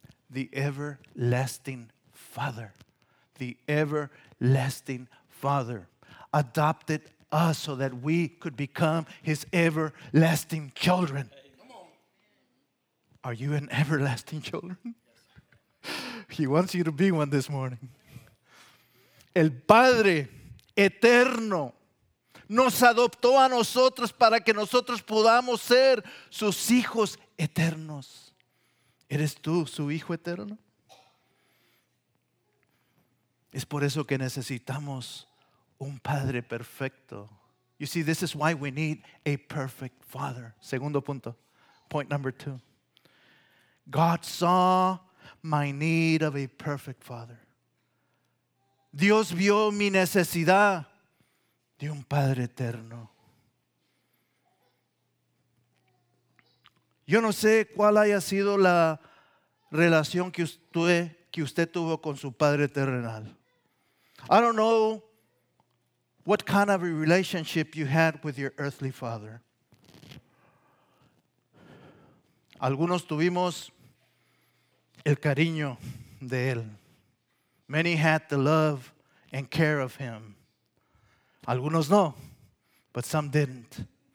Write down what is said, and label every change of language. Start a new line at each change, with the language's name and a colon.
English: The everlasting Father. The everlasting Father adopted us so that we could become his everlasting children. Are you an everlasting children? He wants you to be one this morning.
Spanish: El Padre eterno nos adoptó a nosotros para que nosotros podamos ser sus hijos eternos. ¿Eres tú su hijo eterno? Es por eso que necesitamos un padre perfecto.
English: You see, this is why we need a perfect father.
Spanish: Segundo punto.
English: Point number two. God saw my need of a perfect father.
Spanish: Dios vio mi necesidad de un padre eterno. Yo no sé cuál haya sido la relación que usted tuvo con su padre terrenal.
English: I don't know what kind of a relationship you had with your earthly father.
Spanish: Algunos tuvimos el cariño de él.
English: Many had the love and care of him.
Spanish: Algunos no,
English: but some didn't.